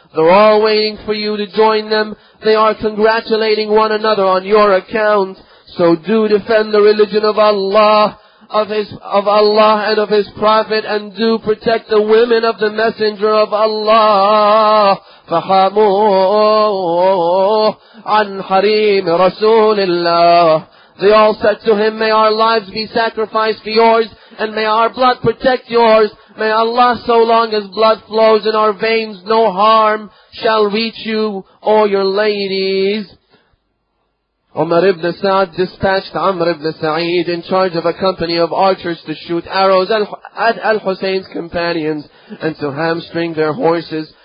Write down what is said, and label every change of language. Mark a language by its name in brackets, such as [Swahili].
[English] They're all waiting for you to join them. They are congratulating one another on your account. So do defend the religion of Allah, and of His Prophet, and do protect the women of the Messenger of Allah. [Arabic] فحاموا عن حريم رسول الله." [English] They all said to him, "May our lives be sacrificed for yours, and may our blood protect yours. May Allah, so long as blood flows in our veins, no harm shall reach you or your ladies." Umar ibn Sa'd dispatched Amr ibn Sa'id in charge of a company of archers to shoot arrows at al-Husayn's companions and to hamstring their horses.